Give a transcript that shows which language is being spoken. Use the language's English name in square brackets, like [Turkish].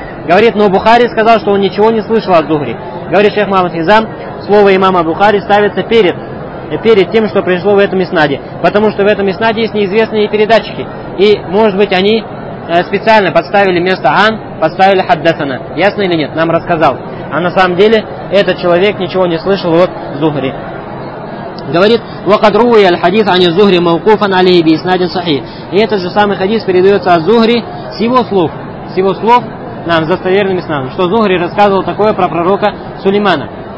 [Russian] Говорит, но Бухари сказал, что он ничего не слышал от Зухри. Говорит шейх Мухаммад Хизам, слово имама Бухари ставится перед тем, что пришло в этом иснаде. Потому что в этом иснаде есть неизвестные передатчики. И, может быть, они специально подставили место «ан», подставили «хаддасана». Ясно или нет? Нам рассказал. А на самом деле этот человек ничего не слышал от Зухри. Говорит, [Arabic] وقد روى الحديث عن الزهري موقوفا عليه بإسناد صحيح. [Russian] И этот же самый хадис передается от Зухри с его слов нам достоверным иснадом, что Зухри рассказывал такое про пророка Сулеймана.